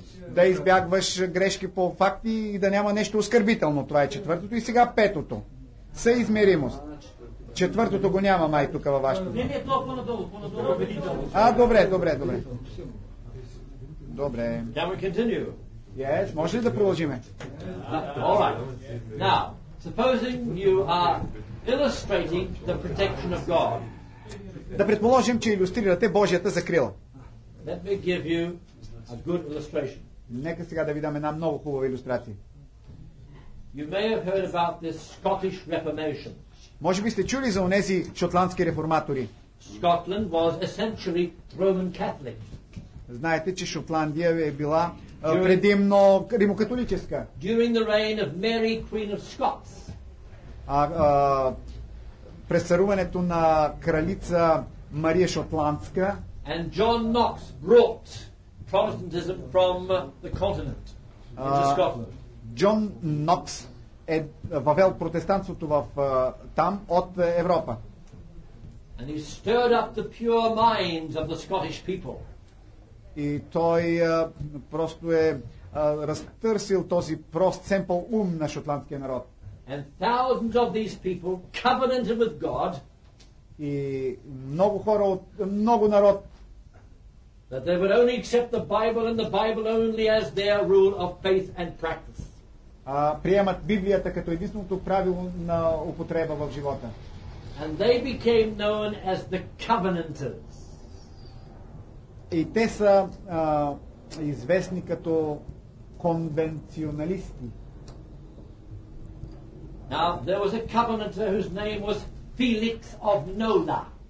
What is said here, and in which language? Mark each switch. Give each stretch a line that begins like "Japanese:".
Bulgarian: Да избягваш грешки по факти и да няма нещо оскърбително. Това е четвъртото. И сега петото. Съизмеримост. Четвъртото го няма май тук във вашето. Не, е това по-надолу, по-надолу убедително. Добре. Добре.
English: Can we continue?
Bulgarian: Yes, може ли да продължиме?
English: Alright. Now, supposing you are illustrating the protection of God.
Bulgarian: Да предположим, че илюстрирате Божията закрила.
English: Let me give you a good illustration.
Bulgarian: Нека сега да ви дам една много хубава илюстрация.
English: You may have heard about this Scottish Reformation.
Bulgarian: Може би сте чули за онези шотландски реформатори.
English: Scotland was essentially Roman Catholic.
Bulgarian: Знаете, че Шотландия е била предимно римокатолическа.
English: During the reign of Mary, Queen of Scots.
Bulgarian: През царуването на кралица Мария Шотландска.
English: And John Knox brought Protestantism from the continent into Scotland.
Bulgarian: John Knox е въвел протестантството в там от Европа.
English: And he stirred up the pure minds of the Scottish people.
Bulgarian: И той просто е разтърсил този прост семпъл ум на шотландския народ.
English: And thousands of these people covenanted with God.
Bulgarian: И много хора от много народ.
English: That they would only accept the Bible and the Bible only as their rule of faith and practice.
Bulgarian: Приемат Библията като единственото правило на употреба в живота.
English: And they became known as the Covenanters.
Bulgarian: И те са известни като конвенционалисти.
English: Now there was a covenanter whose name was Felix of Nola.